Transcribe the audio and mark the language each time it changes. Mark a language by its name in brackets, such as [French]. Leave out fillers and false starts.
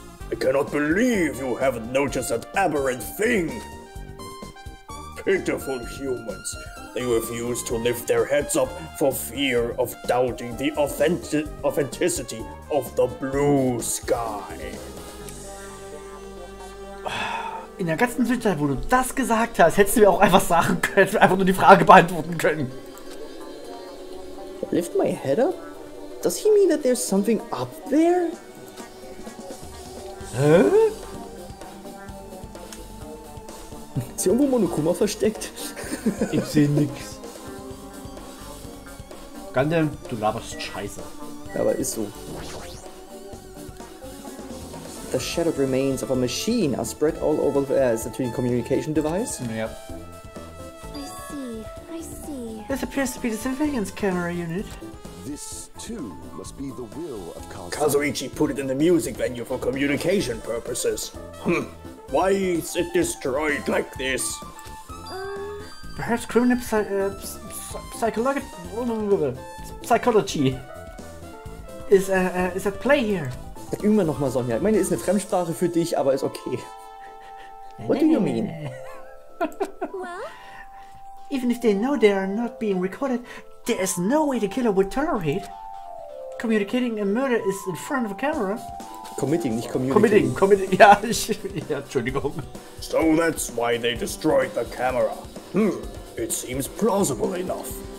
[English] I cannot believe you haven't noticed that aberrant thing! Pitiful humans, they refuse to lift their heads up for fear of doubting the authenticity of the blue sky. [German] In der ganzen Zwischenzeit, wo du das gesagt hast, hättest du mir auch einfach sagen können, einfach nur die Frage beantworten können. [English] Lift my head up? Does he mean that there's something up there? Hä? [German] Ist hier irgendwo Monokuma versteckt? Ich sehe nix. Gandalf, du laberst Scheiße. Aber ist so. [English] The shattered remains of a machine are spread all over the air. Is that a communication device? Yep. I see. This appears to be the surveillance camera unit. This too must be the will of Kazuichi put it in the music venue for communication purposes. Why is it destroyed like this? Perhaps criminal psychology is at play here. [German] Sag immer noch mal, Sonja. Ich meine, ist eine Fremdsprache für dich, aber ist okay. [English] What do you mean? Even if they know they are not being recorded, there is no way the killer would tolerate. Communicating a murder is in front of a camera. Committing, [German] nicht [English] communicating. [German] Committing. Ja, Entschuldigung. [English] So that's why they destroyed the camera. It seems plausible enough.